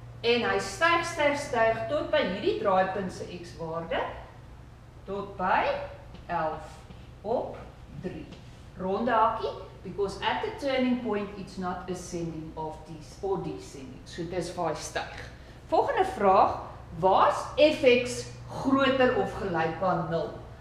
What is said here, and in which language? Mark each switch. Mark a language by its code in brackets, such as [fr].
[af] En hy styg, styg, styg tot by hierdie draaipunt se X waarde. Tot by 11 op 3. Ronde hakkie, [en] because at the turning point it's not ascending of this or descending. [af] So dis waar hy styg. Volgende vraag, waar's fx groter of gelyk aan 0?